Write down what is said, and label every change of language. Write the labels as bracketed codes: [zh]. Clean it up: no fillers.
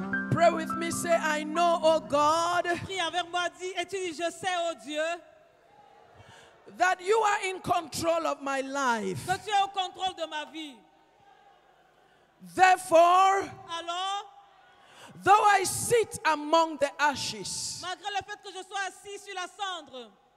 [en] Pray with me, say, I know, oh God. [fr] Prie avec moi, dis, et tu dis, je sais, oh Dieu. [en] That you are in control of my life. [fr] Que tu es au contrôle de ma vie. [en] Therefore, [fr] alors, [en] though I sit among the ashes, [fr] malgré le fait que je sois assis sur la cendre,